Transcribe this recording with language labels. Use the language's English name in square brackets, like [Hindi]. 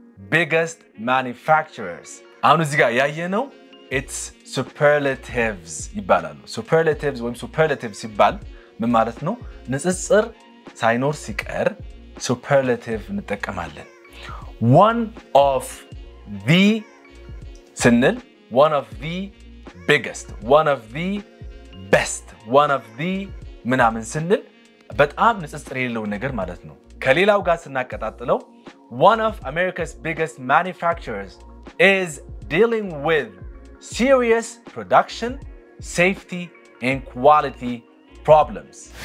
[English] biggest manufacturers. [Amharic] አሁን እዚህ ጋር ያየነው it's superlatives ይባላል። Superlatives ወይም superlatives ይባል ምን ማለት ነው? ንጽጽር ሳይኖር ሲቀር [English] superlative [Amharic] እንጠቀማለን። [English] One of the ስንል one of the biggest, one of the best, one of the ምናምን [Amharic] ስንል በጣም ንጽጽር የሌለው ነገር ማለት ነው። ከሌላው ጋር ስናቀጣጥለው [English] one of America's biggest manufacturers is dealing with serious production, safety, and quality problems.